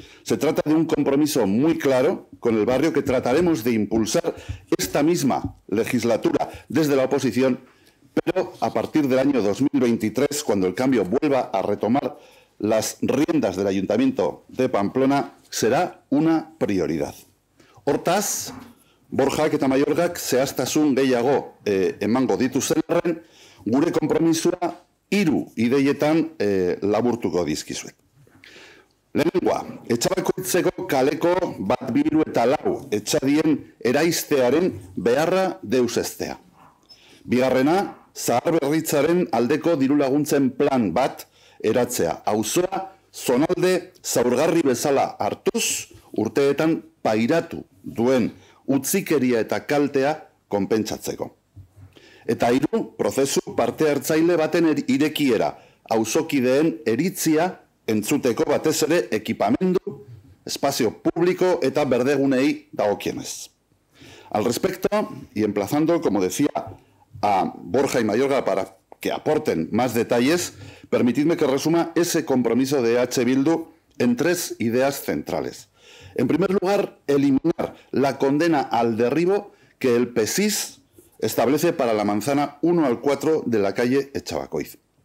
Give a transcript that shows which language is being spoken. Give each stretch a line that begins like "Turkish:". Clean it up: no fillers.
Spanish: Se trata de un compromiso muy claro con el barrio que trataremos de impulsar esta misma legislatura desde la oposición, pero a partir del año 2023, cuando el cambio vuelva a retomar las riendas del Ayuntamiento de Pamplona, será una prioridad.
Basque: Hortaz, Borjak eta Mayorgak zehaztasun gehiago emango dituzelarren, gure konpromisua hiru ideietan laburtuko dizkizuet. Lehenengoa, Etxabakoitzeko kaleko 1, 2 eta 4 etxadien eraistearen beharra deuseztea. Bigarrena, zaharberritzaren aldeko diru laguntzen plan bat eratzea. Auzoa zonalde zaurgarri bezala hartuz, urteetan pairatu duen utzikeria eta kaltea konpentsatzeko. Eta hiru, prozesu parte hartzaile baten irekiera, auzokideen eritzia entzuteko batez ere ekipamendu, espazio publiko eta berdegunei dagokienez.
Spanish: Al respecto, y emplazando, como decía, a Borja y Mayorga para que aporten más detalles, permitidme que resuma ese compromiso de EH Bildu en tres ideas centrales. En primer lugar, eliminar la condena al derribo que el PSIS establece para la manzana 1 al 4 de la calle Echavacoiz.